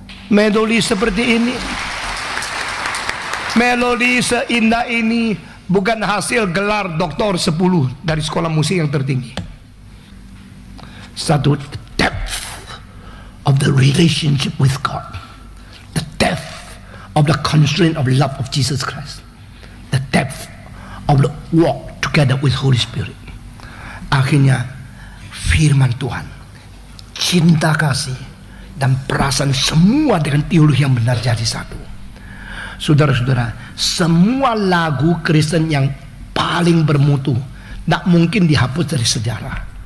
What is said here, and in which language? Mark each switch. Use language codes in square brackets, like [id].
[id] Melodi seperti ini, melodi seindah ini bukan hasil gelar doktor 10 dari sekolah musik yang tertinggi. Satu, [en] the depth of the relationship with God, the depth of the constraint of love of Jesus Christ, the depth of the walk together with Holy Spirit. [id] Akhirnya firman Tuhan, cinta kasih dan perasaan semua dengan teologi yang benar jadi satu. Saudara-saudara, semua lagu Kristen yang paling bermutu tidak mungkin dihapus dari sejarah.